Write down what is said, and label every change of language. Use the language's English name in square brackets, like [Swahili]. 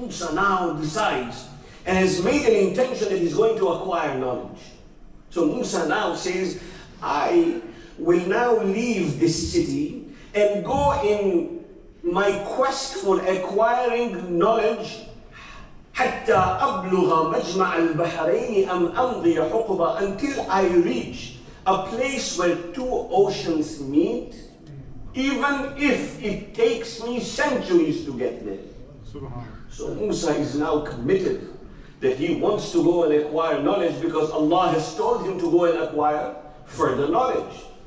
[English] Musa now decides and has made an intention that he's going to acquire knowledge. So Musa now says, I will now leave this city and go in my quest for acquiring knowledge. [Arabic] حتى أبلغ مجمع البحرين أم أمضي حقبا. [English] Until I reach a place where two oceans meet, even if it takes me centuries to get there. So Musa is now committed that he wants to go and acquire knowledge because Allah has told him to go and acquire further knowledge.